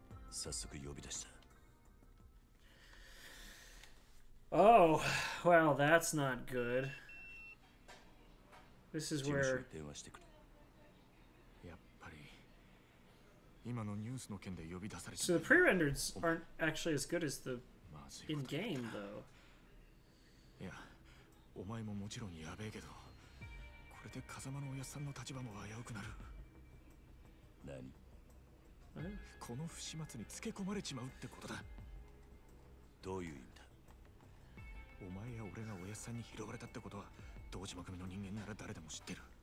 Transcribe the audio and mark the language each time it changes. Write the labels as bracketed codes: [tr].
[ja] 早速呼び出した。 [en] Oh, well, that's not good. This is where. [ja] 事務所に電話してくれ。やっぱり今のニュースの件で呼び出され [en] て。So the pre-rendereds aren't actually as good as the in-game, though. [ja] いや、お前ももちろんやべえけど、これで風間のおやさんの立場も危うくなる。何？この不始末につけ込まれちまうってことだ。どういう意味だ。お前や俺がおやさんに拾われたってことは堂島組の人間なら誰でも知ってる。